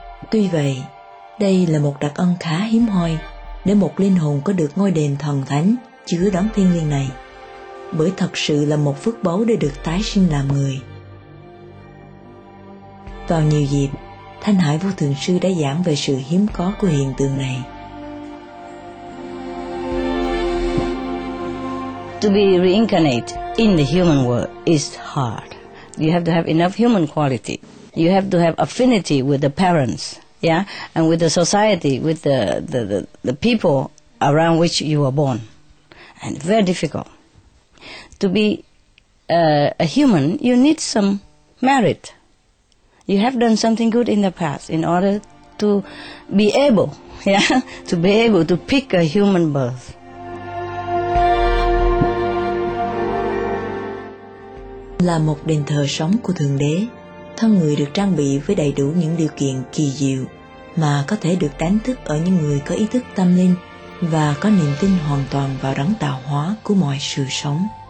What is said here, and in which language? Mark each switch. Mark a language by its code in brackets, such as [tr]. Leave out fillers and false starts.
[vi] Tuy vậy, đây là một đặc ân khá hiếm hoi để một linh hồn có được ngôi đền thần thánh chứa đón thiên liêng này, bởi thật sự là một phước báu để được tái sinh làm người. Vào nhiều dịp, Thanh Hải Vô Thượng Sư đã giảng về sự hiếm có của hiện tượng này. [en] To be reincarnate in the human world is hard. You have to have enough human quality. You have to have affinity with the parents, yeah, and with the society, with the people around which you were born. And very difficult. To be a human, you need some merit. You have done something good in the past in order to be able, yeah, to be able to pick a human birth. [vi] Là một đền thờ sống của Thượng Đế, thân người được trang bị với đầy đủ những điều kiện kỳ diệu mà có thể được đánh thức ở những người có ý thức tâm linh và có niềm tin hoàn toàn vào đấng tạo hóa của mọi sự sống.